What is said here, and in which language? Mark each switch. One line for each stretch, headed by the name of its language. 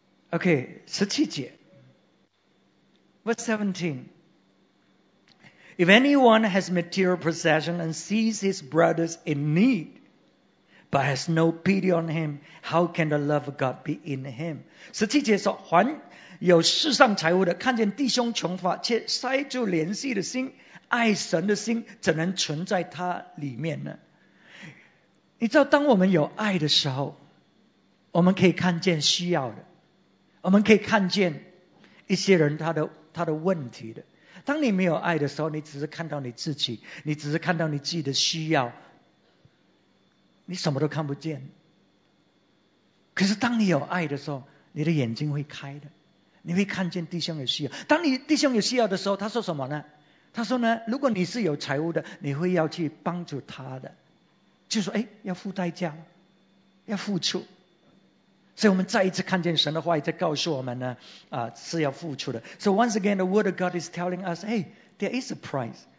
Chinese: Okay, 十七节。
English: Verse 17. If anyone has material possession and sees his brothers in need, but has no pity on him, how can the love of God be in him?
Chinese: 十七节说，凡有世上财物的，看见弟兄穷乏，却塞住怜惜的心，爱神的心，怎能存在他里面呢？你知道，当我们有爱的时候，我们可以看见需要的，我们可以看见一些人他的问题的。当你没有爱的时候，你只是看到你自己，你只是看到你自己的需要，你什么都看不见。可是当你有爱的时候，你的眼睛会开的。你会看见弟兄有需要。当你弟兄有需要的时候，他说什么呢？他说呢，如果你是有财物的，你会要去帮助他的，就说哎，要付代价，要付出。所以我们再一次看见神的话语在告诉我们呢，是要付出的。
English: So once again, the word of God is telling us, hey, there is a price.